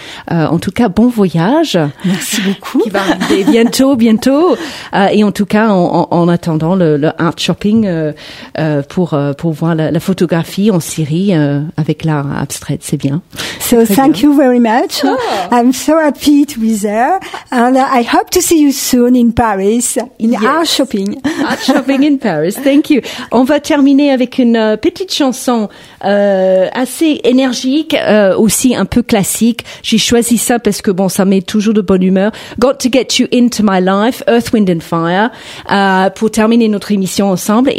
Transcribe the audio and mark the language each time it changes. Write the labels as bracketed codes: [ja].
[fr] Mais en tout cas, bon voyage. Merci beaucoup. Qui va arriver bientôt. Et en tout cas, en attendant le art shopping pour voir la photographie en Syrie avec l'art abstrait, c'est bien. [en] So thank you very much. Oh. I'm so happy to be there. And I hope to see you soon in Paris, in art shopping. Art shopping in Paris, thank you. [fr] On va terminer avec une petite chanson assez énergique, aussi un peu classique. J'ai choisi ça parce que bon, ça met toujours de bonne humeur. Got to get you into my life, Earth, Wind and Fire, pour terminer notre émission ensemble.